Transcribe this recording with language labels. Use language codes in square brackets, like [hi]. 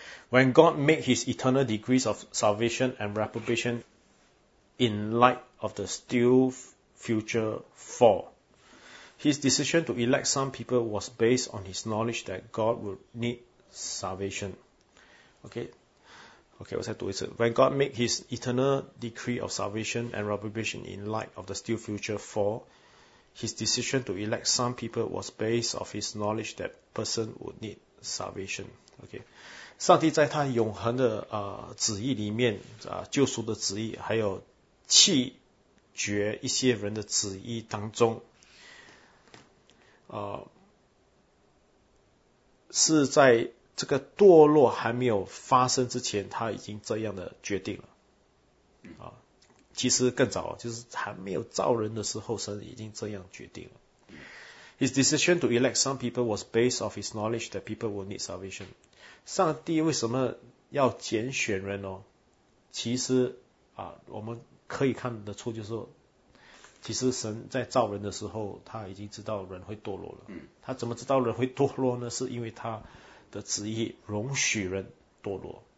[en] When God made his eternal decrees of salvation and reprobation in light of the still future fall, his decision to elect some people was based on his knowledge that God would need salvation. [zh] Okay, 我再读一次。 [en] When God made his eternal decree of salvation and reprobation in light of the still future fall,His decision to elect some people was based on his knowledge that person would need salvation. Okay. [zh] 上帝在他永恒的旨意里面救赎的旨意，还有弃绝一些人的旨意当中是在这个堕落还没有发生之前，他已经这样的决定了。其实更早，就是还没有造人的时候，神已经这样决定了。 [en] His decision to elect some people was based off his knowledge that people will need salvation. [zh] 上帝为什么要拣选人哦？其实我们可以看得出，就是说其实神在造人的时候，他已经知道人会堕落了。嗯，他怎么知道人会堕落呢？是因为他的旨意容许人堕落。